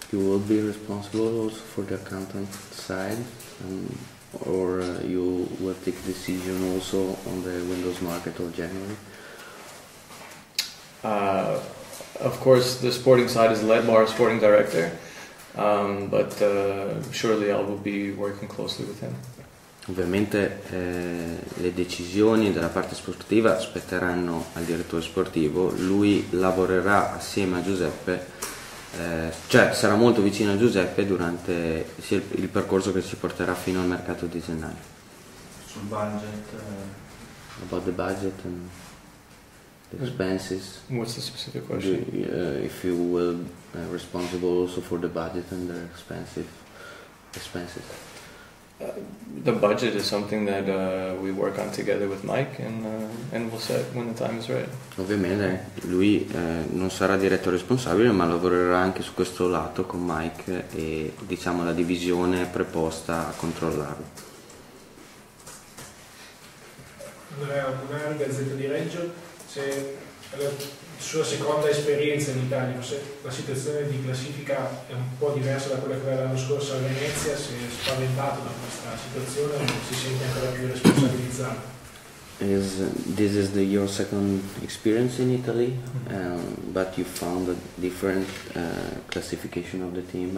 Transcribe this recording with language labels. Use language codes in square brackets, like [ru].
[en] You will be responsible also for the accountant side, or you will take a decision also on the Windows market or generally? Of course, the sporting side is led by our sporting director, but surely I will be working closely with him. [it] Ovviamente le decisioni della parte sportiva spetteranno al direttore sportivo. Lui lavorerà assieme a Giuseppe. Cioè sarà molto vicino a Giuseppe durante sia il percorso che ci porterà fino al mercato di gennaio. Sul budget? [en] About the budget and the expenses. What's the specific question? If you will be responsible also for the budget and the expenses. The budget is something that we work on together with Mike and we'll set when the time is right. [it] Ovviamente lui non sarà diretto responsabile, ma lavorerà anche su questo lato con Mike e diciamo la divisione preposta a controllarlo. Andrea Bonardi, Gazzetta di Reggio. Se la sua seconda esperienza in Italia, se la situazione di classifica è un po' diversa da quella che aveva l'anno scorso a Venezia, si è spaventato da questa situazione o si sente ancora più responsabilizzato? [en] This is your second experience in Italy, but you found a different classification of the team.